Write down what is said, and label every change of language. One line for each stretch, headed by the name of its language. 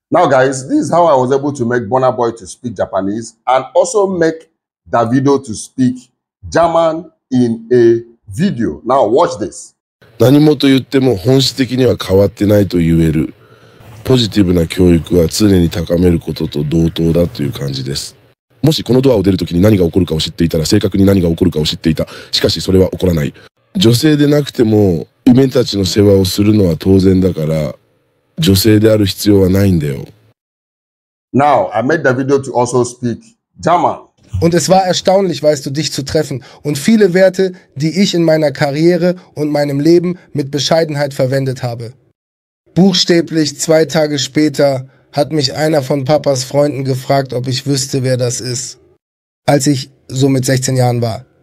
English: Now, guys, this is how I was able to make Bonaboy to speak Japanese and also make Davido to speak German in a video. Now, watch this.
Japanese: 何もと言っても本質的には変わってないと言える。ポジティブな教育は常に高めることと同等だという感じです。もしこのドアを出るときに何が起こるかを知っていたら、正確に何が起こるかを知っていた。しかしそれは起こらない。女性でなくても、夢たちの世話をするのは当然だから、女性である必要はないんだよ。
English: Now, I made the video to also speak German.
German: Und es war erstaunlich, weißt du, dich zu treffen und viele Werte, die ich in meiner Karriere und meinem Leben mit Bescheidenheit verwendet habe. Buchstäblich zwei Tage später hat mich einer von Papas Freunden gefragt, ob ich wüsste, wer das ist, als ich so mit 16 Jahren war.